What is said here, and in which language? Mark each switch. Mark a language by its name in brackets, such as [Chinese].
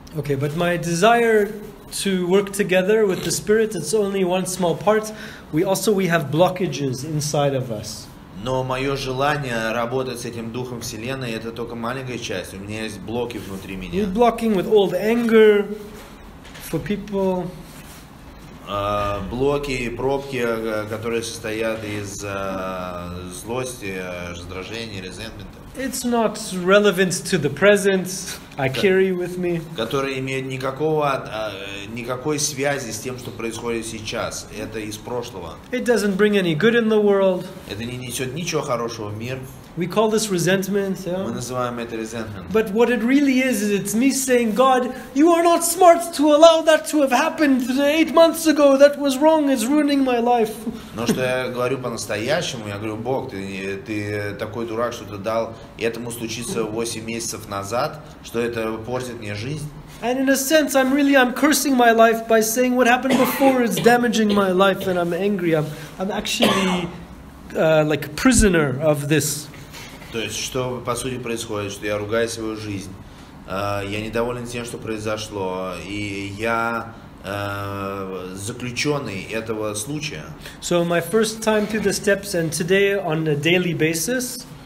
[English] Okay, but my desire to work together with the Spirit, it's only one small part. We have blockages inside of us. [Russian] Но мое желание работать с этим Духом Вселенной, это только маленькая часть. У меня есть блоки внутри меня. [English] You're blocking with old anger for people. [Russian] блоки, пробки, которые состоят из злости, раздражения, resentment. [English] It's not relevant to the present I carry with me. [Russian] Которые имеют никакой связи с тем, что происходит сейчас. Это из прошлого. [English] It doesn't bring any good in the world. [Russian] Это не несет ничего хорошего в мир. [English] We call this resentment. [Russian] Мы называем это resentment. [English] But what it really is it's me saying, God, you are not smart to allow that to have happened 8 months ago. That was wrong. It's ruining my life. [Russian] Но что я говорю по-настоящему, я говорю, Бог, ты такой дурак, что ты дал этому случиться 8 месяцев назад, что это портит мне жизнь. [English] And in a sense, I'm cursing my life by saying what happened before is damaging my life, and I'm angry. I'm actually like a prisoner of this. [Russian] То есть, что по сути происходит, что я ругаю свою жизнь, я недоволен тем, что произошло, и я заключенный этого случая. [English] So my first time through the steps, and today on a daily basis.